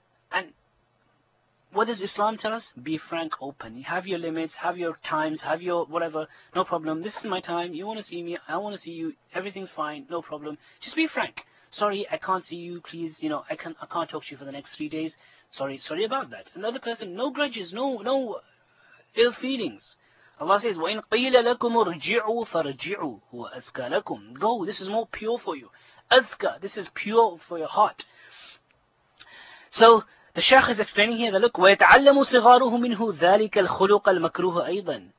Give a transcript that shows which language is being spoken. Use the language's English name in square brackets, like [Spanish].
[English] And what does Islam tell us? Be frank, open. You have your limits, have your times, have your whatever, no problem. This is my time, you want to see me, I want to see you, everything's fine, no problem. Just be frank. Sorry, I can't see you, please, you know, I can't talk to you for the next 3 days. Sorry about that. Another person, no grudges, no ill feelings. [Arabic] Allah says, وَإِن قِيلَ لَكُمُ ارْجِعُوا فَارْجِعُوا هُوَ أَزْكَى لَكُمْ. [English] Go, this is more pure for you. Azka, this is pure for your heart. So, the Shaykh is explaining here that look, [Arabic] وَيَتَعَلَّمُ صِغَارُهُ مِنْهُ ذَلِكَ الْخُلُقَ الْمَكْرُوهُ أَيْضًا.